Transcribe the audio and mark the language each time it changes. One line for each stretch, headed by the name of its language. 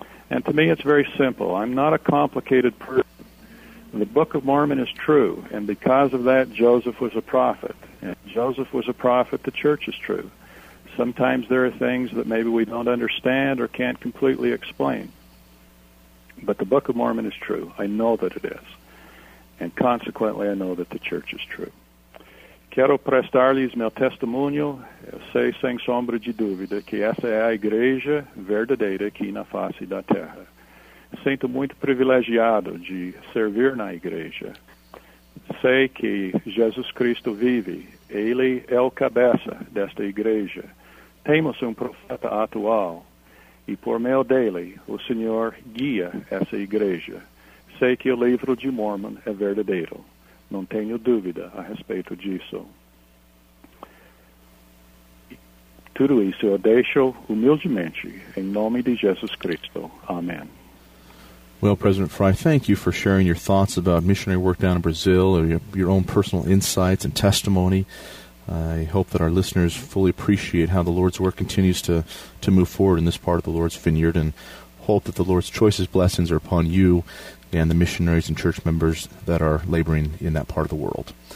English: And to me, it's very simple. I'm not a complicated person. The Book of Mormon is true, and because of that, Joseph was a prophet. And Joseph was a prophet, the church is true. Sometimes there are things that maybe we don't understand or can't completely explain. But the Book of Mormon is true. I know that it is. And consequently, I know that the church is true.
Portuguese: Quero prestar-lhes meu testemunho, sei sem sombra de dúvida, que essa é a igreja verdadeira aqui na face da terra. Sinto muito privilegiado de servir na igreja. Sei que Jesus Cristo vive. Ele é o cabeça desta igreja. Temos profeta atual, e por meio dele, o Senhor guia essa igreja. Sei que o livro de Mormon é verdadeiro. Não tenho dúvida a respeito disso. Tudo isso eu deixo humildemente, em nome de Jesus Cristo. Amen.
English: Well, President Fry, thank you for sharing your thoughts about missionary work down in Brazil, or your own personal insights and testimony. I hope that our listeners fully appreciate how the Lord's work continues to move forward in this part of the Lord's vineyard, and hope that the Lord's choicest blessings are upon you and the missionaries and church members that are laboring in that part of the world.